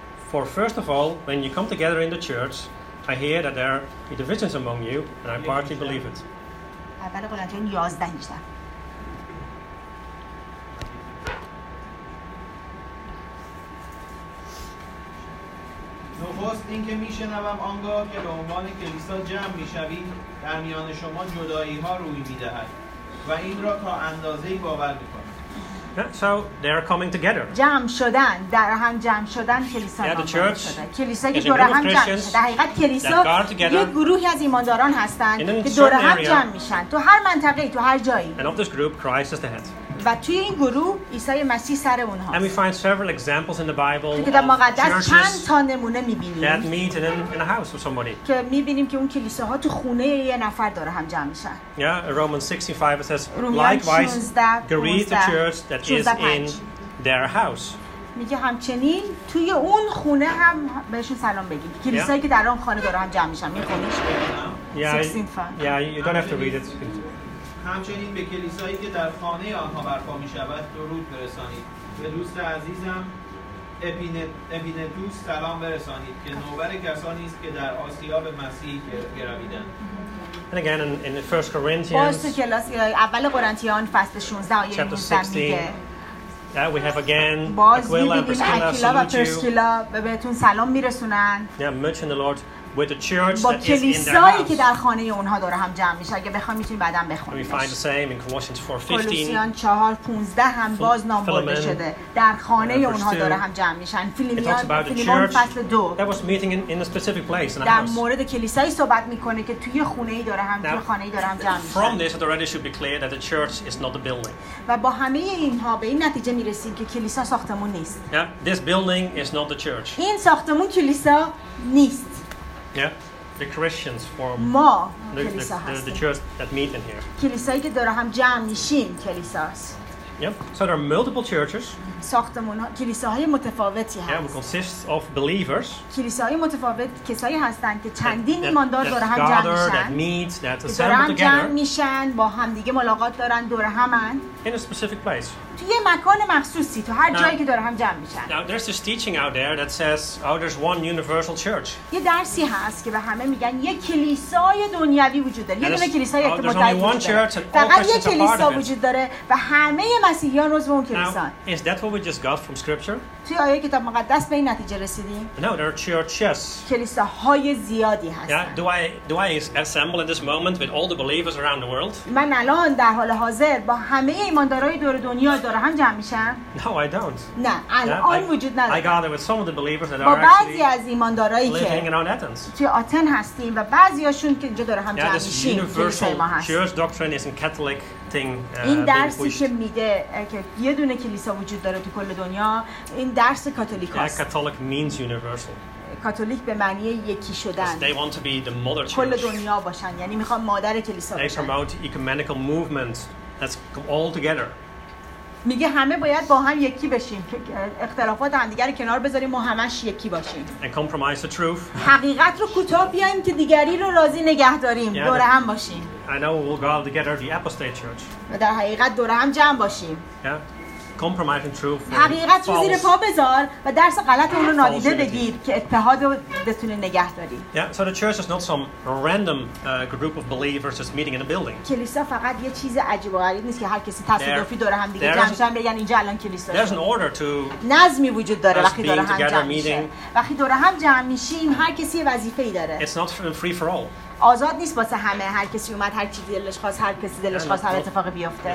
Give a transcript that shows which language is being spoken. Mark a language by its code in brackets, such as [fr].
[en] For first of all, when you come together in the church, I hear that there are divisions among you, and I partly believe it. [fa] نخست اینکه میشنوم آنگاه که به عنوان کلیسا جمع میشوید در میان شما جدایی ها روی میدهد و این را تا اندازه‌ای باور میکنم. [en] Yeah, so they are coming together. [fa] جمع شدن، در هم جمع شدن کلیسا [en] yeah, the church [fa] کلیسا که دور هم جمع شده. در حقیقت کلیسا یک گروهی از ایمانداران هستند که دور هم جمع میشن. تو هر منطقه‌ای، تو هر جایی. [en] And of this group, Christ is the head. [fa] و توی این گروه عیسی مسیح سر اونها. [en] And we find several examples in the Bible. [fa] که در مقدس چند تا نمونه می‌بینیم. [en] That meet in a house of somebody. [fa] که می‌بینیم که اون کلیساها تو خونه یه نفر داره هم جمع میشن. [en] Yeah, Romans 16:5 says likewise greet the church that is in their house. [fa] میگه همچنین توی اون خونه هم بهشون سلام بگید. کلیسایی که در اون خانه داره هم جمع میشن می‌خونیم. [en] Yeah. 16:5. Yeah, you don't have to read it. [fa] همچنین به کلیسایی که در خانه آنها برپا می شود درود برسانید. به دوست عزیزم اپینتوس سلام برسانید که نوبر کسانی است که در آسیا به مسیح گرویدند. [en] And again in 1 Corinthians [fa] اول قرنتیان فصل 16 آیه 16 [en] Yeah, we have again Aquila and Priscilla salute you. [fa] Aquila به بهتون سلام میرسونن. [en] Yeah, much in the Lord with the church [fa] با کلیسایی که در خانه اونها داره هم جمع میشه. اگه بخوام میتونیم بعدم بخونیم. [en] We find the same in Colossians 4:15. [fa] کلوسیان 4:15 هم باز نام برده شده. در خانه اونها داره هم جمع میشن. فیلیمیان فصل 2. [en] That was meeting in a specific place in a [fa] house. در مورد کلیسایی صحبت میکنه که توی خونه‌ای داره هم توی خانه‌ای داره هم جمع میشن. [en] From this it already should be clear that the church is not a building. [fa] و با همه اینها به این نتیجه میرسیم که کلیسا ساختمون نیست. [en] Yeah, this building is not the church. [fa] این ساختمون کلیسا نیست. [en] Yeah, the Christians form ما the church that meet in here. [fa] کلیسایی که داره هم جمع میشیم کلیساست. [en] Yeah, so there are multiple churches. [fa] ساختمون‌ها کلیساهای متفاوتی هست. [en] Yeah, it consists of believers. [fa] کلیساهای متفاوت کسایی هستند که چندین ایماندار داره هم جمع میشن. [en] That meet, that assemble together. جمع [fa] میشن با هم دیگه ملاقات دارن دور همن. [en] In a specific place. [fa] تو یه مکان مخصوصی تو هر جایی که داره هم جمع میشن. [en] Now there's this teaching out there that says, oh, there's one universal church. [fa] یه درسی هست که به همه میگن یه کلیسای دنیوی وجود داره. یه دونه کلیسای که متعدد. [en] There's only one church and all Christians are part of it. [fa] فقط یه کلیسا وجود داره و همه مسیحیان عضو اون کلیسان. [en] Is that what we just got from scripture? [fa] توی آیه کتاب مقدس به این نتیجه رسیدیم. [en] No, there are churches. [fa] کلیساهای زیادی هست. [en] Yeah, do I assemble at this moment with all the believers around the world? [fa] من الان در حال حاضر با همه ایماندارای دور دنیا داره هم جمع میشم. [en] No, I don't. [fa] نه، الان وجود نداره. [en] I gather with some of the believers that are actually [fa] بعضی از ایماندارایی که [en] living in Athens. [fa] توی آتن هستیم و بعضیاشون که اینجا داره هم جمع میشیم. [en] Yeah, this universal church doctrine isn't Catholic. [fa] این درسی که میده که یه دونه کلیسا وجود داره تو کل دنیا این درس کاتولیک است. [en] Catholic means universal. [fa] کاتولیک به معنی یکی شدن. [en] They want to be the mother church. [fa] کل دنیا باشن، یعنی میخوان مادر کلیسا باشن. [en] They promote ecumenical movement that's all together. [fa] میگه همه باید با هم یکی بشیم، اختلافات همدیگر رو کنار بذاریم و همش یکی باشیم. [en] And compromise the truth. [fa] حقیقت رو کوتاه بیاییم که دیگری رو راضی نگه داریم، yeah, دور هم باشیم. [en] I know we'll go all together, the apostate church. [fa] و در حقیقت دور هم جمع باشیم. [en] Yeah. Compromise the truth. [fa] حقیقت رو زیر پا بذار و درس غلط اون رو نادیده بگیر که اتحاد رو بتونی نگه داری. [en] Yeah, so the church is not some random group of believers just meeting in a building. [fa] کلیسا فقط یه چیز عجیب و غریب نیست که هر کسی تصادفی دور هم دیگه جمع شن بگن اینجا الان کلیسا. [en] There's an order to [fa] نظمی وجود داره وقتی دور هم جمع میشیم. وقتی دور هم جمع میشیم هر کسی وظیفه‌ای داره. [en] It's not free for all. [fa] آزاد نیست واسه همه، هر کسی اومد هر چی دلش خواست، هر کسی دلش خواست هر اتفاقی بیفته.